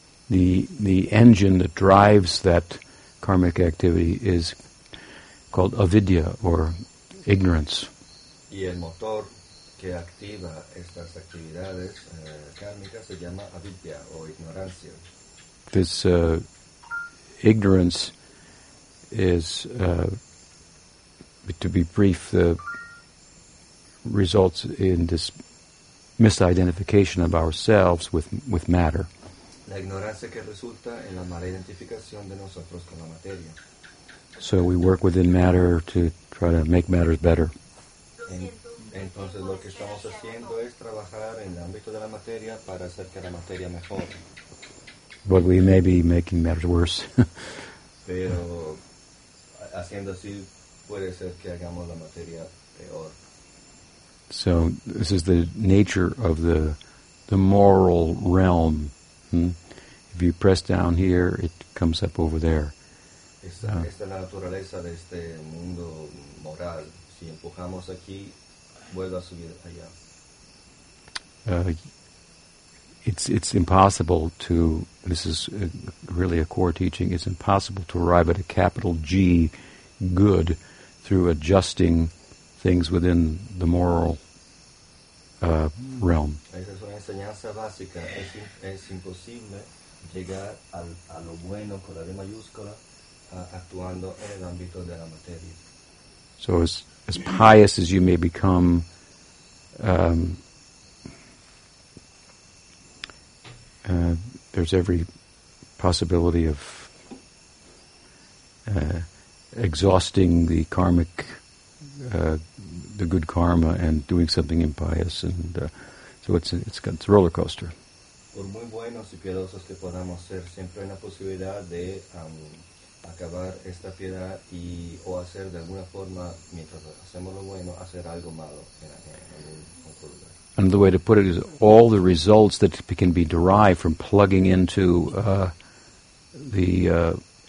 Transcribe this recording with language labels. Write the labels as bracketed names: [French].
[English] The engine that drives that karmic activity is called avidya, or ignorance. [Spanish] Y el motor que activa estas actividades kármicas se llama avidya, o ignorancia. [English] This ignorance is, to be brief, results in this misidentification of ourselves with matter. [Spanish] La ignorancia que resulta en la mala identificación de nosotros con la materia. [English] So we work within matter to try to make matters better. [Spanish] Entonces lo que estamos haciendo es trabajar en el ámbito de la materia para hacer que la materia mejore. [English] But we may be making matters worse. [Spanish] Pero haciendo así puede ser que hagamos la materia peor. [English] So this is the nature of the moral realm. If you press down here, it comes up over there. [Spanish] Esta es la naturaleza de este mundo moral. Si empujamos aquí, vuelve a subir allá. [English] It's impossible to, this is really a core teaching, it's impossible to arrive at a capital G good through adjusting things within the moral realm. [Spanish] Esa es una enseñanza básica. Es imposible llegar a lo bueno con la D mayúscula actuando en el ámbito de la materia. [English] So as pious as you may become, there's every possibility of exhausting the karmic, the good karma, and doing something impious, and so it's a roller coaster. [Spanish] Por muy buenos y piadosos que podamos ser, siempre hay la posibilidad de acabar esta piedad y o hacer de alguna forma, mientras hacemos lo bueno, hacer algo malo en algún otro lugar. [English] Another way to put it is all the results that can be derived from plugging into the